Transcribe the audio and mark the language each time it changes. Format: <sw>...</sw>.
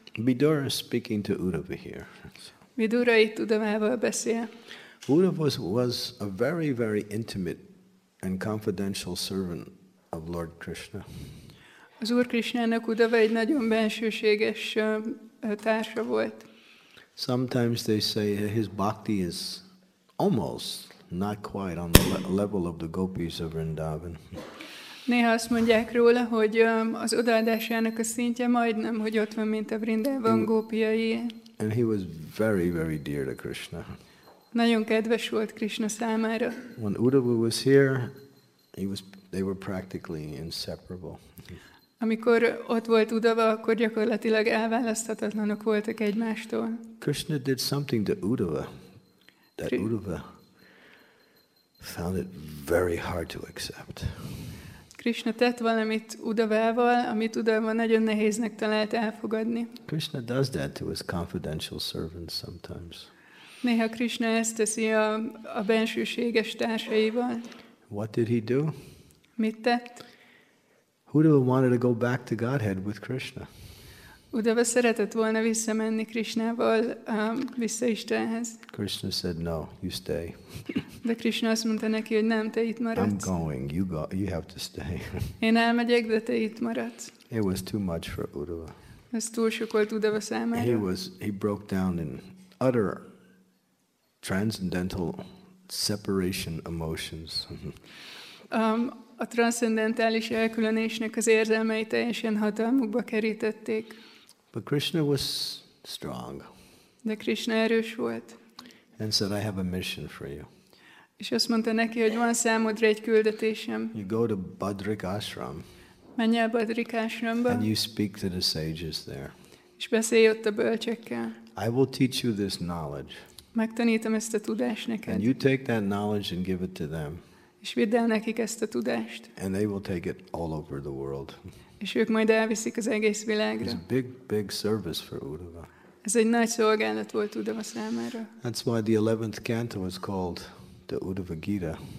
<en>Vidura is speaking to Uddhava here.</en> <hu>Vidura itt Uddhavával beszél.</hu> <en>Uddhava was a very, very intimate and confidential servant of Lord Krishna.</en> <hu>Az Úr Krishnának Uddhava egy nagyon bensőséges társa volt.</hu> <en>Sometimes they say his bhakti is almost not quite on the level of the gopis of Vrindavan.</en> <hu>Néha azt mondják róla, hogy az odaadásának a szintje majdnem, hogy ott van, mint a Vrindavan gópiai.</hu> <en>And he was very, very dear to Krishna.</en> <hu>Nagyon kedves volt Krishna számára.</hu> <en>When Uddhava was here, they were practically inseparable.</en> <hu>Amikor ott volt Uddhava, akkor gyakorlatilag elválaszthatatlanok voltak egymástól.</hu> <en>Krishna did something to Uddhava that Uddhava found it very hard to accept.</en> <hu>Krishna tett valamit Uddhavával, amit Uddhava nagyon nehéznek talált elfogadni.</hu> <en>Krishna does that to his confidential servants sometimes.</en> <hu>Néha Krishna ezt teszi a bensőséges társaival.</hu> <en>What did he do?</en> <hu>Mit tett?</hu> <en>Uddhava wanted to go back to Godhead with Krishna.</en> <hu>Uddhava szeretett volna visszamenni Krishnával, vissza Istenhez.</hu> <en>Krishna said, no, you stay.</en> <hu>De Krishna azt mondta neki, hogy nem, te itt maradsz.</hu> <en>I'm going, you have to stay.</en> <hu>Én elmegyek, de te itt maradsz.</hu> <en>It was too much for Uddhava.</en> <hu>Ez túl sok volt Uddhava számára.</hu> <en>He broke down in utter transcendental separation emotions.</en> <hu>A transzcendentális elkülönésnek az érzelmei teljesen hatalmukba kerítették.</hu> <en>But Krishna was strong.</en> <hu>De Krishna erős volt.</hu> <en>And said, I have a mission for you.</en> <hu>És azt mondta neki, hogy van számodra egy küldetésem.</hu> <en>You go to Badrik Ashram.</en> <hu>Menj el Badrik Ashramba.</hu> <en>And you speak to the sages there.</en> <hu>És beszélj ott a bölcsekkel.</hu> <en>I will teach you this knowledge.</en> <hu>Megtanítom ezt a tudást neked.</hu> <en>And you take that knowledge and give it to them.</en> <hu>És vidd el nekik ezt a tudást.</hu> <en>And they will take it all over the world.</en> <hu>És ők majd elviszik az egész világra.</hu> <en>It's a big, big service for Uddhava.</en> <hu>Ez egy nagy szolgálat volt Uddhava számára.</hu> <en>That's why the 11th canto is called the Uddhava Gita.</en>